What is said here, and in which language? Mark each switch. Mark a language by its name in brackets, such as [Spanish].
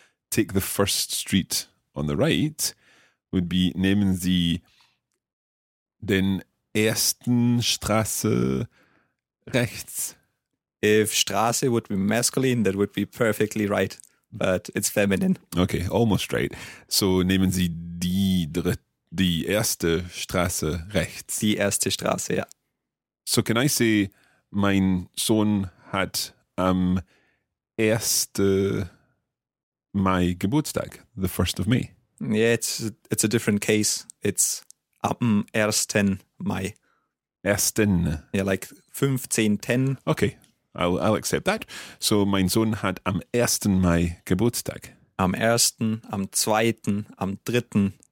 [English] Take the first street on the right would be [German] nehmen Sie den ersten Straße rechts. [English] If Straße would be masculine, that would be perfectly right, but it's feminine. Okay, almost right. [German] So nehmen Sie die erste Straße rechts. Die erste Straße, ja. [English] So can I say [German] mein Sohn hat am 1. Mai Geburtstag, [English] the 1st of May. Yeah, it's a different case. It's [German] am 1. Mai. 1. [English] Yeah, like 15.10. Okay, I'll accept that. So [German] mein Sohn hat am 1. Mai Geburtstag. Am 1., am 2., am 3.